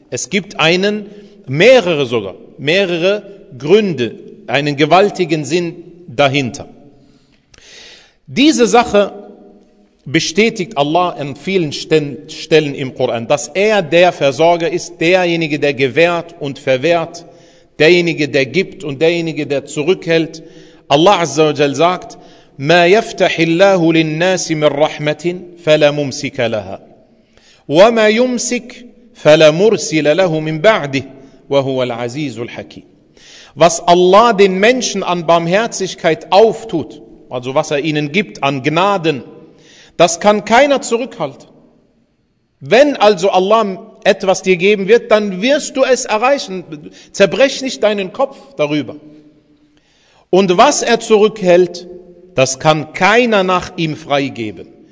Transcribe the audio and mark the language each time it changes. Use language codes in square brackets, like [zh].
[de] Es gibt mehrere Gründe, einen gewaltigen Sinn dahinter. Diese Sache bestätigt Allah an vielen Stellen im Koran, dass er der Versorger ist, derjenige, der gewährt und verwehrt, derjenige, der gibt und derjenige, der zurückhält. Allah Azza wa Jal sagt, [ar] مَا يَفْتَحِ اللَّهُ لِلنَّاسِ مِنْ رَحْمَةٍ فَلَا مُمْسِكَ لَهَا وَمَا يُمْسِكْ فَلَا مُرْسِلَ لَهُ مِنْ بَعْدِهِ وَهُوَ الْعَزِيزُ الْحَكِيمُ. [de] Was Allah den Menschen an Barmherzigkeit auftut, also was er ihnen gibt an Gnaden, das kann keiner zurückhalten. Wenn also Allah etwas dir geben wird, dann wirst du es erreichen. Zerbrech nicht deinen Kopf darüber. Und was er zurückhält, das kann keiner nach ihm freigeben.